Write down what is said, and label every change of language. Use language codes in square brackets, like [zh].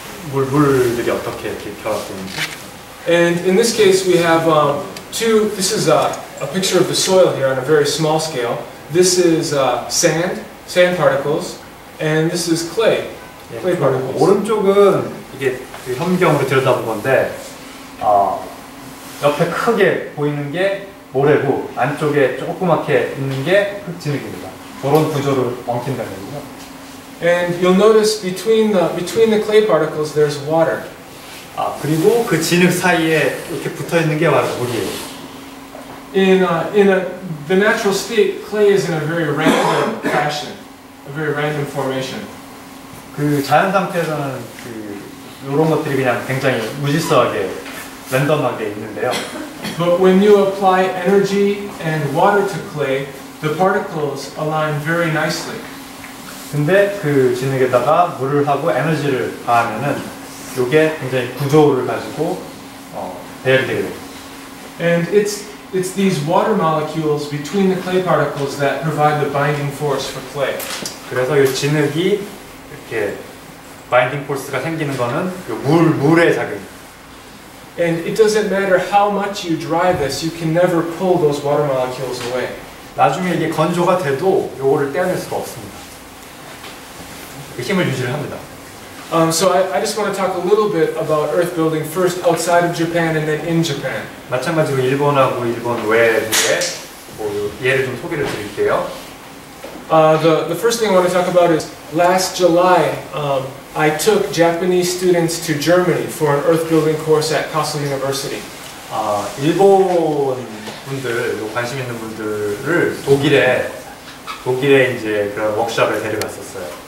[ko] 물들이 어떻게 이렇게 결합되는지. [en] And in this case, we have two. This is a picture of the soil here on a very small scale. This is sand particles, and this is clay. 예, clay particles. [ko] 오른쪽은 이게 그 현미경으로 들여다본 건데, 옆에 크게 보이는 게 모래고 안쪽에 조그맣게 있는 게 흙진흙입니다. 그런 구조를 엉킨다는 거죠. [en] And you'll notice between the clay particles there's water. [ko] 아, 그리고 그 진흙 사이에 이렇게 붙어 있는 게 바로 물이에요. [en] In the natural state, clay is in a very random fashion, a very random formation. [ko] 그 자연 상태에서는 그 이런 것들이 그냥 굉장히 무질서하게 랜덤하게 있는데요. [en] But when you apply energy and water to clay, the particles align very nicely. [ko] 근데 그 진흙에다가 물을 하고 에너지를 가하면은 이게 굉장히 구조를 가지고 배열되게 돼요. [en] And it's these water molecules between the clay particles that provide the binding force for clay. [ko] 그래서 이 진흙이 이렇게 binding force가 생기는 거는 물의 작용. [en] And it doesn't matter how much you dry this, you can never pull those water molecules away. [ko] 나중에 이게 건조가 돼도 요거를 떼어낼 수가 없습니다. 힘을 유지를 합니다. [en] So I just want to talk a little bit about earth building first outside of Japan and then in Japan. [ko] 마찬가지로 일본하고 일본 외에 뭐 예를 좀 소개를 드릴게요. [en] The first thing I want to talk about is last July I took Japanese students to Germany for an earth building course at Kassel University. [ko] 아, 일본 분들, 관심 있는 분들을 독일에 이제 그런 워크숍을 데려갔었어요.